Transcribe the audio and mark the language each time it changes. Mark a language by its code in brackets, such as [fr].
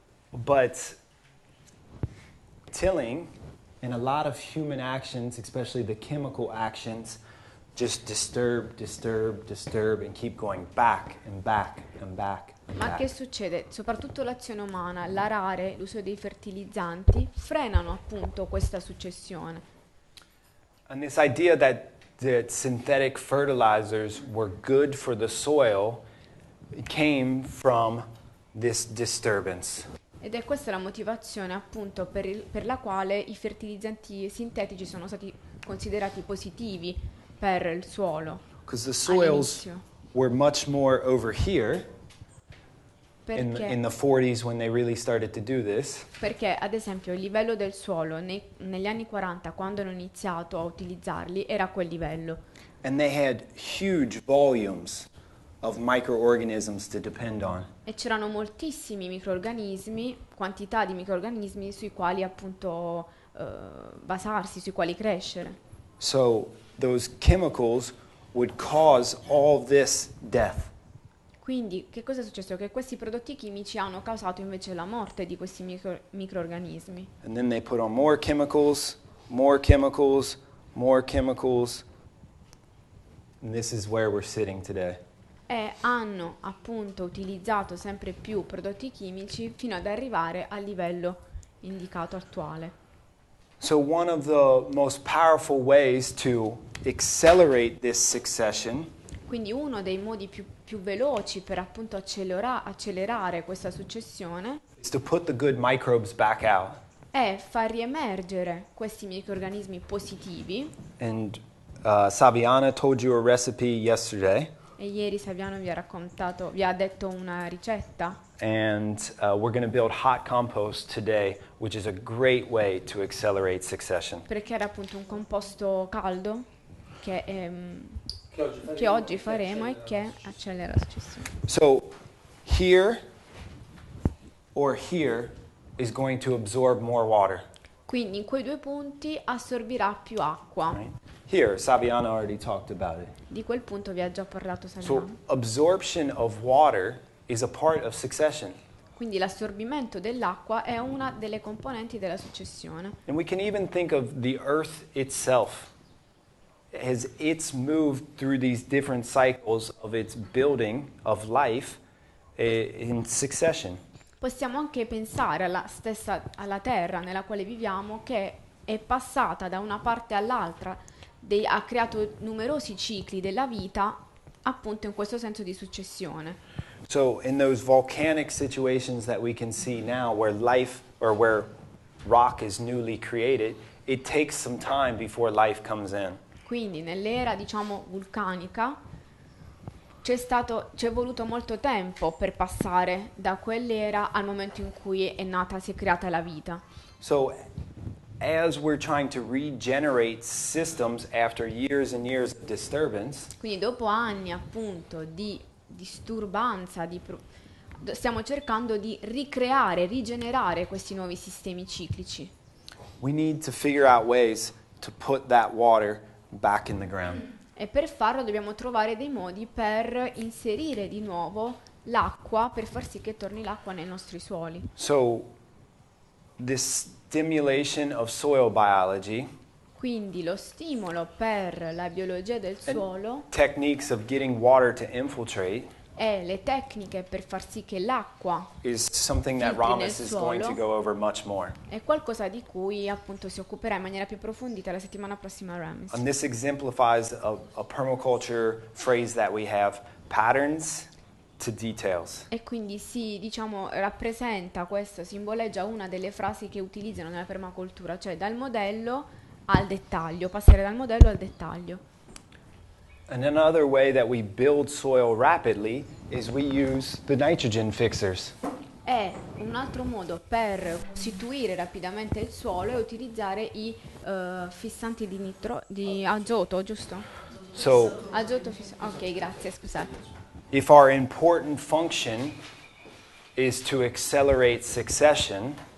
[en] But tilling and a lot of human actions, especially the chemical actions, just disturb and keep going back and back and back. [it] Ma che succede? Soprattutto l'azione umana, l'arare, l'uso dei fertilizzanti frenano appunto questa successione. [en] And this idea that synthetic fertilizers were good for the soil came from this disturbance. [it] Ed è questa la motivazione appunto per la quale i fertilizzanti sintetici sono stati considerati positivi per il suolo. [en] Because the soils were much more over here in the 40s when they really started to do this. [it] Perché ad esempio il livello del suolo negli anni 40 quando hanno iniziato a utilizzarli era quel livello. [en] And they had huge volumes of microorganisms to depend on. [it] E c'erano moltissimi microorganismi, quantità di microorganismi sui quali appunto basarsi, sui quali crescere. [en] So those chemicals would cause all this death. [it] Quindi, che cosa è successo? Che questi prodotti chimici hanno causato invece la morte di questi microorganismi. [en] And then they put on more chemicals, more chemicals, more chemicals. And this is where we're sitting today. [it] E hanno appunto utilizzato sempre più prodotti chimici fino ad arrivare al livello indicato attuale. [en] So one of the most powerful ways to accelerate this succession. [it] Quindi uno dei modi più veloci per appunto accelerare questa successione è far riemergere questi microrganismi positivi. [en] Saviana told you a recipe yesterday. [it] E ieri Saviana vi ha detto una ricetta. [en] And we're going to build hot compost today, which is a great way to accelerate succession. [it] Perché era appunto un composto caldo che è che oggi faremo e che accelera la successione. [en] So here or here is going to absorb more water. [it] Quindi in quei due punti assorbirà più acqua. [en] Right. Here, Saviana already talked about it. [it] Di quel punto vi ha già parlato Saviana. [en] So absorption of water is a part of succession. [it] Quindi l'assorbimento dell'acqua è una delle componenti della successione. [en] And we can even think of the earth itself. As it's moved through these different cycles of its building of life in succession. [it] Possiamo anche pensare alla terra nella quale viviamo che è passata da una parte all'altra, ha creato numerosi cicli della vita appunto in questo senso di successione. [en] So in those volcanic situations that we can see now where life or where rock is newly created, it takes some time before life comes in. [it] Quindi nell'era, diciamo, vulcanica c'è voluto molto tempo per passare da quell'era al momento in cui è nata, si è creata la vita. [en] So, as we're trying to regenerate systems after years and years of disturbance. [it] Quindi dopo anni, appunto, di disturbanza, stiamo cercando di ricreare, rigenerare questi nuovi sistemi ciclici. [en] We need to figure out ways to put that water back in the ground. [it] E per farlo dobbiamo trovare dei modi per inserire di nuovo l'acqua, per far sì che torni l'acqua nei nostri suoli. [en] So this stimulation of soil biology. [it] Quindi lo stimolo per la biologia del suolo. [en] Techniques of getting water to infiltrate. [it] E le tecniche per far sì che l'acqua [en] is something that Ramis is going to go over much more. [it] È qualcosa di cui appunto si occuperà in maniera più approfondita la settimana prossima Ramis. [en] And this exemplifies a permaculture phrase that we have, patterns to details. [it] E quindi si, diciamo, rappresenta questo, simboleggia una delle frasi che utilizzano nella permacultura, cioè dal modello al dettaglio, passare dal modello al dettaglio. [en] And another way that we build soil rapidly is we use the nitrogen fixers. [it] È un altro modo per costituire rapidamente il suolo e utilizzare i fissanti di azoto, giusto? [en] So [it] azoto fissante. Ok, grazie, scusate. [en] If our important function is to accelerate succession,